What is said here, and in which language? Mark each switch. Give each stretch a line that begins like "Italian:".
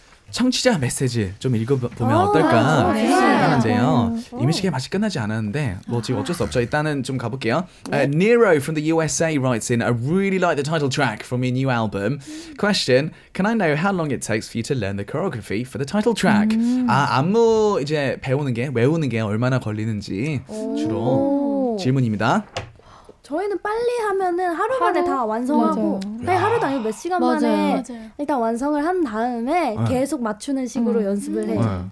Korean: 청취자 메시지 좀 읽어보면 어떨까 하는데요. 이미지 게임 아직 끝나지 않았는데 뭐 지금 어쩔 수 없죠. 일단은 좀 가볼게요.
English: Nero from the USA writes in, I really like the title track from your new album. Question, can I know how long it takes for you to learn the choreography for the title track?
Korean: 아, 안무 이제 배우는 게, 외우는 게 얼마나 걸리는지 주로 질문입니다. 저희는 빨리 하면은 하루 만에 다 완성하고 네, 하루도 아니고 몇 시간 만에 일단 완성을 한 다음에 계속 맞추는 식으로 연습을 해요.